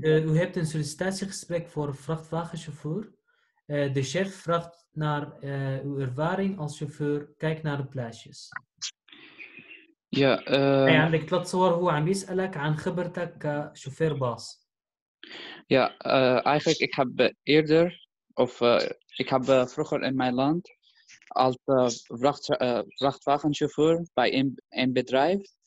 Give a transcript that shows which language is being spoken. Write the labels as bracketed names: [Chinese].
[Dutch] U hebt een sollicitatiegesprek voor vrachtwagenchauffeur. De chef vraagt naar uw ervaring als chauffeur. Kijk naar de plaatjes. Ja, [Arabic] عندك ثلاث صور هو عم بيسألك عن خبرتك كشوفير باص. [Dutch] Ja, eigenlijk ik heb eerder of ik heb vroeger in mijn land als vrachtwagenchauffeur bij een bedrijf.